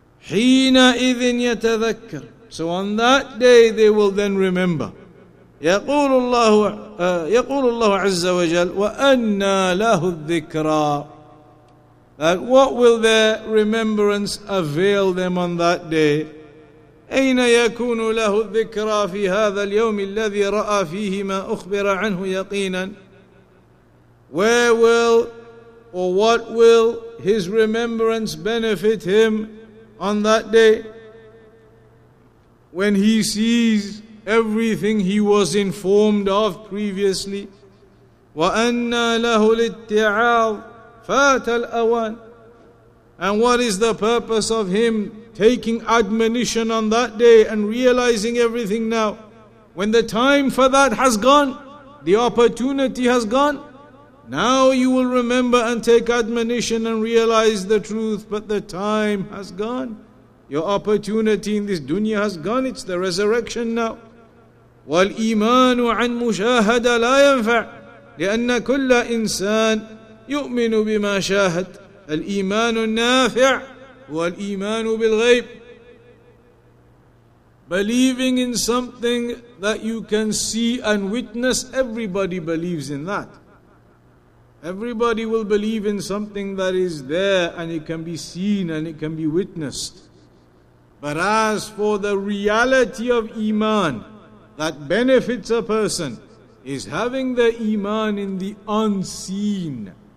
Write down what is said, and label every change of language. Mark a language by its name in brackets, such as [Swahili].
[Arabic] حِينَ إِذٍ يَتَذَكَّرُ. [English] So on that day they will then remember. [Arabic] يَقُولُ اللَّهُ عَزَّ وَجَلَّ وَأَنَّا لَهُ الذِّكْرَى. [English] That what will their remembrance avail them on that day? [Arabic] أَيْنَ يَكُونُ لَهُ الذِّكْرَى فِي هَذَا الْيَوْمِ الَّذِي رَأَى فِيهِ مَا أُخْبِرَ عَنْهُ يَقِينًا. [English] Where will, or what will his remembrance benefit him on that day? When he sees everything he was informed of previously. [Arabic] وَأَنَّا لَهُ الْإِتِّعَاضِ فَاتَ الْأَوَانِ. [English] And what is the purpose of him taking admonition on that day and realizing everything now, when the time for that has gone, the opportunity has gone? Now you will remember and take admonition and realize the truth, but the time has gone. Your opportunity in this dunya has gone. It's the resurrection now. [Arabic] وَالْإِيمَانُ عَنْ مُشَاهَدَ لَا يَنْفَعُ لِأَنَّ كُلَّ إِنسَانِ يؤمن بما شاهد. الإيمان النافع هو الإيمان بالغيب. [English] Believing in something that you can see and witness, everybody believes in that. Everybody will believe in something that is there and it can be seen and it can be witnessed. But as for the reality of Iman that benefits a person, is having the Iman in the unseen.